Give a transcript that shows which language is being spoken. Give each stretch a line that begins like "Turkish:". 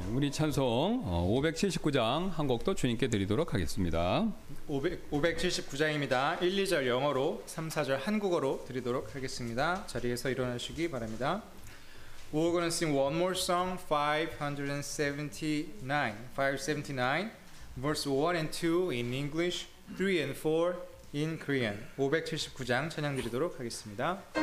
Korean: 찬송 579장 한 곡도 주님께 드리도록 하겠습니다. 579장입니다. 1, 2절 영어로, 3, 4절 한국어로 드리도록 하겠습니다. 자리에서 일어나시기 바랍니다.
English: We're going to sing one more song, 579, verse 1 and 2 in English, 3 and 4 in Korean.
Korean: 579장 찬양 드리도록 하겠습니다.